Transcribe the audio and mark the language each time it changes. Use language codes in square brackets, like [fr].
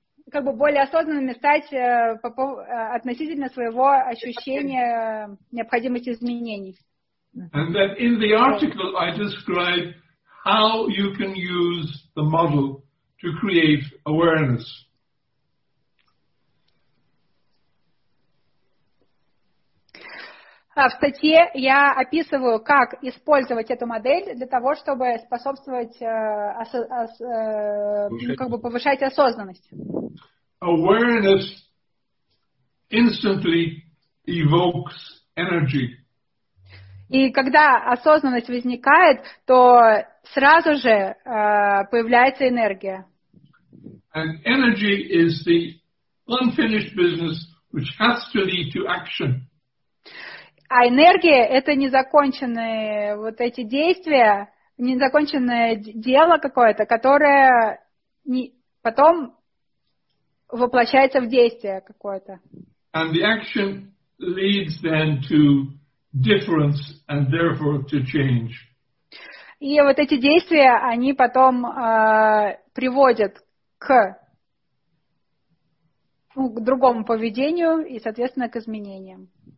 [ru] как бы более осознанными стать относительно своего ощущения необходимости изменений. [en] And then in the article I describe how you can use the model to create awareness. [ru] В статье я описываю, как использовать эту модель для того, чтобы способствовать как бы повышать осознанность. [en] Awareness instantly evokes energy. [ru] И когда осознанность возникает, то сразу же появляется энергия. [en] And energy is the unfinished business which has to lead to action. [ru] А энергия – это незаконченные вот эти действия, незаконченное дело какое-то, которое потом воплощается в действие какое-то. [en] And the action leads then to difference and therefore to change. [ru] И вот эти действия, они потом приводят к другому поведению и, соответственно, к изменениям.